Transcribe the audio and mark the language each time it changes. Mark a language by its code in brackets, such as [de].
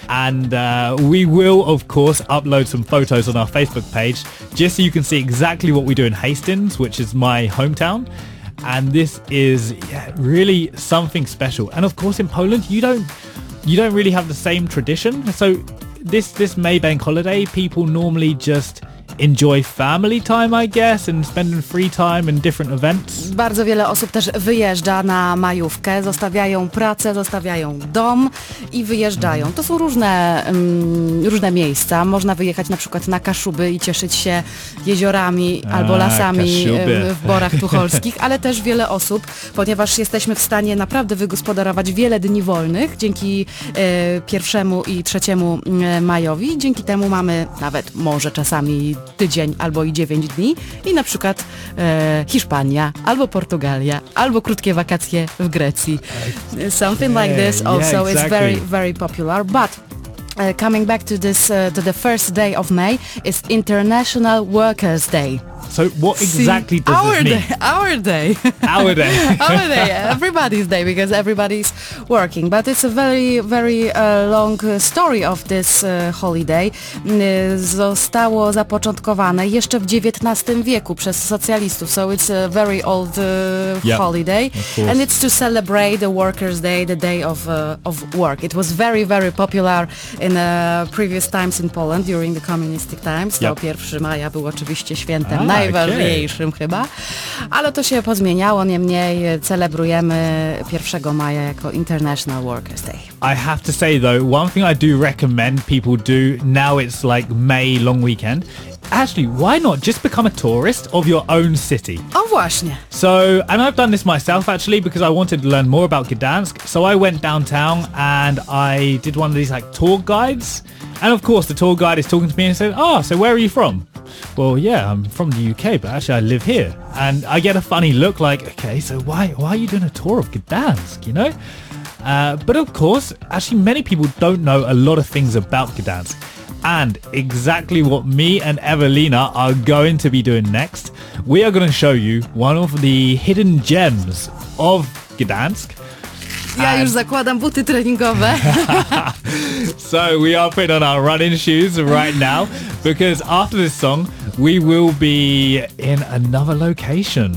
[en] And we will, of course, upload some photos on our Facebook page just so you can see exactly what we do in Hastings, which is my hometown. And this is really something special. And of course, in Poland, you don't really have the same tradition. So this May Bank holiday, people normally just enjoy family time, I guess, and spending free time in different events. [pl] Bardzo wiele osób też wyjeżdża na majówkę, zostawiają pracę, zostawiają dom i wyjeżdżają. To są różne miejsca. Można wyjechać na przykład na Kaszuby i cieszyć się jeziorami albo lasami w Borach Tucholskich, ale też wiele osób, ponieważ jesteśmy w stanie naprawdę wygospodarować wiele dni wolnych dzięki pierwszemu i trzeciemu majowi. Dzięki temu mamy nawet może czasami tydzień albo i 9 dni i na przykład Hiszpania albo Portugalia albo krótkie wakacje w Grecji. [en] Something like this also is very, very popular. But coming back to this, to the first day of May is International Workers' Day. So what exactly does our it mean? Our day. Everybody's day, because everybody's working. But it's a very, very long story of this holiday. [pl] Zostało zapoczątkowane jeszcze w XIX wieku przez socjalistów. [en] So it's a very old holiday. And it's to celebrate the Workers' Day, the day of work. It was very, very popular in previous times in Poland during the communistic times. [pl] To 1 maja był oczywiście świętem. Najważniejszym chyba, ale to się pozmieniało, niemniej celebrujemy 1 maja jako International Workers' Day. [en] I have to say though, one thing I do recommend people do, now it's like May long weekend, actually, why not just become a tourist of your own city? [pl] O właśnie. [en] So, and I've done this myself actually because I wanted to learn more about Gdańsk, so I went downtown and I did one of these like tour guides, and of course the tour guide is talking to me and said, oh, so where are you from? Well, yeah, I'm from the UK, but actually I live here. And I get a funny look like, okay, so why are you doing a tour of Gdansk, you know? But of course, actually many people don't know a lot of things about Gdansk. And exactly what me and Evelina are going to be doing next, we are going to show you one of the hidden gems of Gdansk. [pl] Ja już zakładam buty treningowe. [en] So we are putting on our running shoes right now, because after this song, we will be in another location.